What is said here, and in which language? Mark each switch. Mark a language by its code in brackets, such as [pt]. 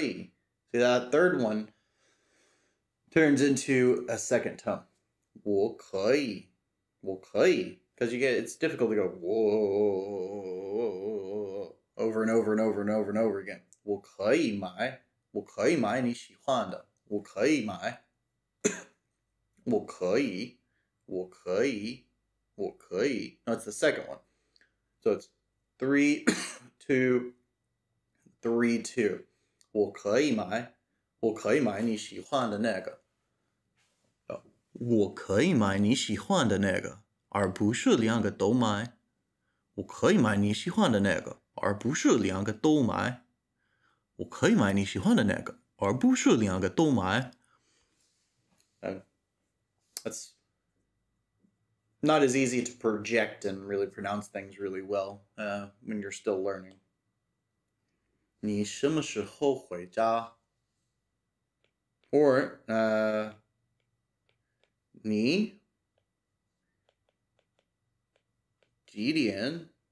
[en] See that third one turns into a second tone. [zh] 我可以，我可以。 [en] Because you get, it's difficult to go whoa, over and over and over and over and over again. [zh] 我可以买，我可以买你喜欢的。我可以买，我可以，我可以，我可以。 [en] No, it's the second one. So it's 3-2, 3-2. [zh] 我可以买，我可以买你喜欢的那个。我可以买你喜欢的那个，而不是两个都买。我可以买你喜欢的那个，而不是两个都买。我可以买你喜欢的那个，而不是两个都买。 [en] That's not as easy to project and really pronounce things really well when you're still learning. [zh] 你什么时候回家？ Or, 你几点